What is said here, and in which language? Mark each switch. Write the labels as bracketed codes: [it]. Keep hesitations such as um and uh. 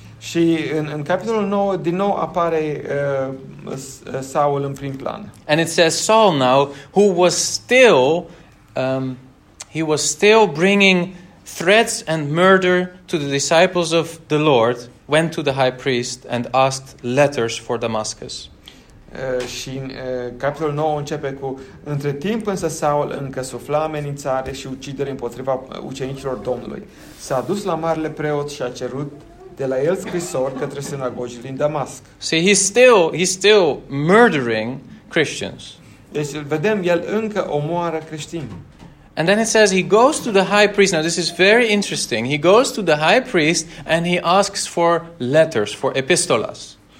[ro] Și în, în 9 din nou apare Saul în prim plan. [en] And it says Saul now who was still um, he was still bringing threats and murder to the disciples of the Lord went to the high priest and asked letters for Damascus. [ro] Uh, și în uh, capitolul 9 începe cu Între timp însă Saul încă sufla amenințare și ucidere împotriva ucenicilor Domnului. S-a dus la marele preot și a cerut de la el scrisori către sinagogii din Damasc. [en] See, he's still, he's still murdering Christians. [ro] Deci el vedem, el încă omoară creștini. [en] And then it says he goes to the high priest. Now this is very interesting. He goes to the high priest and he asks for letters, for epistolas.